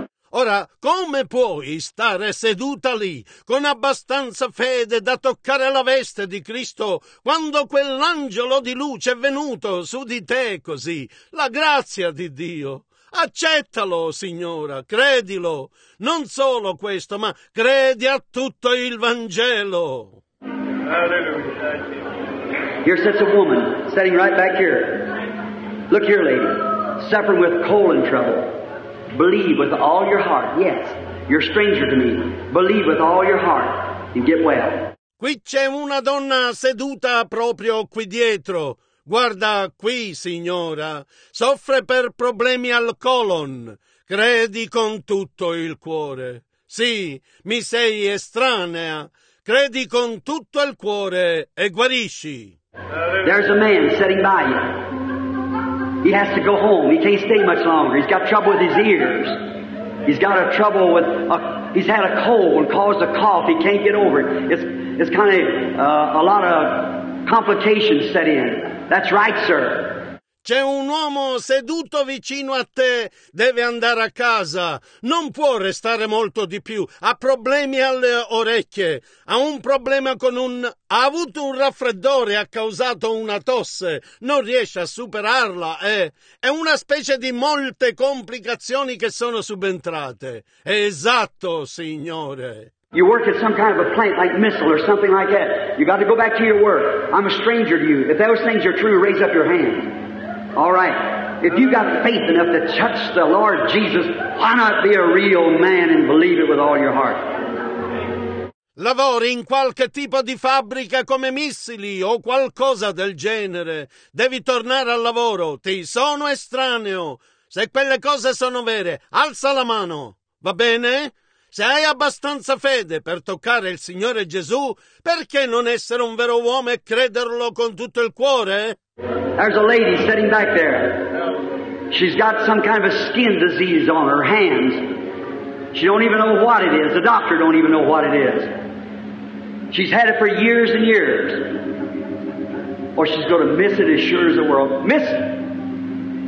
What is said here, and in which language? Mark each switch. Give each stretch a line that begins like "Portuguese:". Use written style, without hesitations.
Italian: Ora, come puoi stare seduta lì con abbastanza fede da toccare la veste di Cristo quando quell'angelo di luce è venuto su di te così? La grazia di Dio. Accettalo, signora, credilo. Non solo questo, ma credi a tutto il Vangelo.
English: Here sits a woman, sitting right back here. Look here, lady. Suffering with colon trouble. Believe with all your heart. Yes, you're a stranger to me. Believe with all your heart and get well.
Italian: Qui c'è una donna seduta proprio qui dietro. Guarda qui, signora. Soffre per problemi al colon. Credi con tutto il cuore. Sì, mi sei estranea. Credi con tutto il cuore e guarisci.
English: There's a man sitting by you. He has to go home. He can't stay much longer. He's got trouble with his ears. He's got a trouble with a, he's had a cold and caused a cough. He can't get over it. It's kind of a lot of complications set in. That's right, sir.
Italian: C'è un uomo seduto vicino a te. Deve andare a casa. Non può restare molto di più. Ha problemi alle orecchie. Ha un problema con un... Ha avuto un raffreddore. Ha causato una tosse. Non riesce a superarla. È una specie di molte complicazioni che sono subentrate. Esatto, signore.
English: You work at some kind of a plant like missile or something like that. You got to go back to your work. I'm a stranger to you. If those things are true, raise up your hand. All right. If you got faith enough to touch the Lord Jesus, why not be a real man and believe it with all your heart?
Italian: Lavori in qualche tipo di fabbrica come missili o qualcosa del genere. Devi tornare al lavoro. Ti sono estraneo. Se quelle cose sono vere, alza la mano. Va bene? Se hai abbastanza fede per toccare il Signore Gesù, perché non essere un vero uomo e crederlo con tutto il cuore?
English: There's a lady sitting back there. She's got some kind of a skin disease on her hands. She don't even know what it is. The doctor don't even know what it is. She's had it for years and years. Or she's going to miss it as sure as the world. Miss it.